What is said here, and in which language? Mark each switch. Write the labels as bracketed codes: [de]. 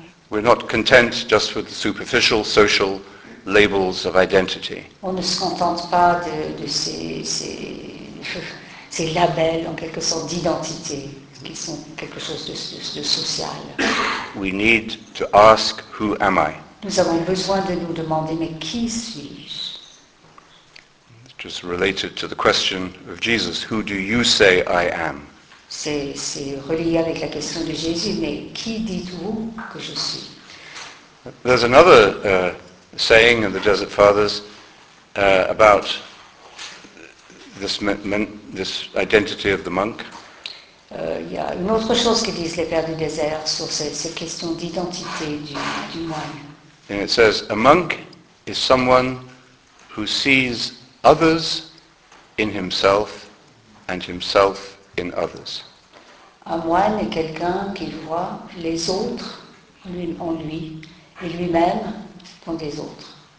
[en] We're not content just with the superficial social labels of identity. [fr] On ne se contente pas de ces labels, en quelque sorte, d'identité, qui sont quelque chose de social. [en] We need to ask, who am I? [fr] Nous avons besoin de nous demander, mais qui suis-je? [en] It is related to the question of Jesus, who do you say I am? [fr] C'est relié avec la question de Jésus, mais qui dites-vous que je suis? [en] There's another saying in the Desert Fathers about this identity of the monk. [fr] Il y a une autre chose que disent les Pères du Désert sur cette question d'identité du moine. [en] And it says, a monk is someone who sees others in himself and himself in others. [fr] Un moine est quelqu'un qui voit les autres en lui et lui-même dans des autres.